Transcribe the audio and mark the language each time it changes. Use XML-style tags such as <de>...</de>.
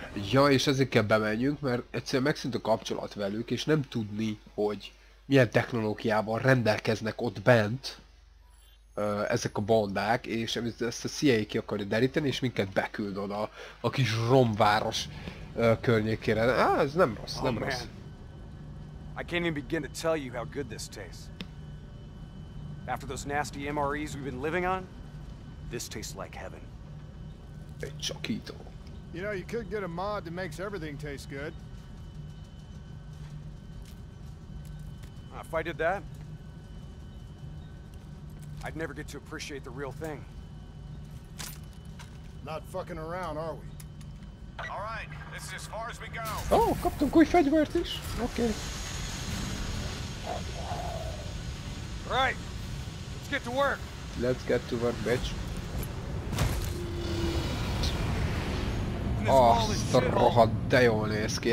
<hu>Ja, és ezért kell bemenjünk, mert egyszerűen megszűnt a kapcsolat velük, és nem tudni, hogy milyen technológiával rendelkeznek ott bent. Ezek a bandák, és ezt a CIA ki akarja deríteni, és minket beküld oda a kis romváros környékére. Ez nem rossz, nem rossz.</hu> <en>I can't even begin to tell you how good this tastes. After those nasty MREs we've been living on, this tastes like heaven.</en> <hu>Egy csakító.</hu> <en>You know, you could get a mod that makes everything taste good. If I did that, I'd never get to appreciate the real thing. Not fucking around, are we? All right, this is as far as we go.</en> <hu>Oh, kaptunk új fegyvert is.</hu> <en>Okay. Right. Let's get to work. Let's get to work, bitch.</en> <hu>Azt a rohadt, de jól néz ki.</hu>